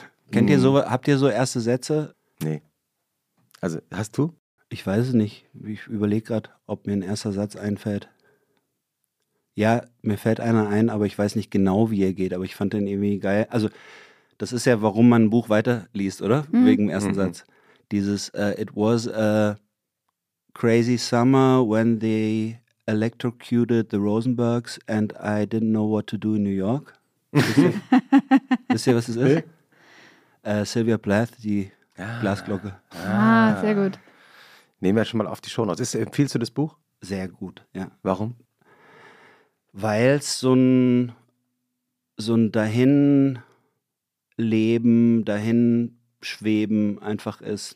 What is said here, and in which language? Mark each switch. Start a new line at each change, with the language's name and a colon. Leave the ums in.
German: Kennt ihr so, habt ihr so erste Sätze? Nee. Also, hast du? Ich weiß es nicht. Ich überlege gerade, ob mir ein erster Satz einfällt. Ja, mir fällt einer ein, aber ich weiß nicht genau, wie er geht. Aber ich fand den irgendwie geil. Also, das ist ja, warum man ein Buch weiterliest, oder? Mhm. Wegen dem ersten Mhm. Satz. Dieses äh,
English: It was a crazy summer when they electrocuted the Rosenbergs and I didn't know what to do in New York.
German: Wisst ihr, Wisst ihr was das ist? Äh, Sylvia Plath, die Glasglocke. Ah, sehr gut. Nehmen wir schon mal auf die Shownotes. Ist, empfiehlst du das Buch? Sehr gut, ja. Warum? weil es so ein, so ein Dahinleben, Dahinschweben einfach ist.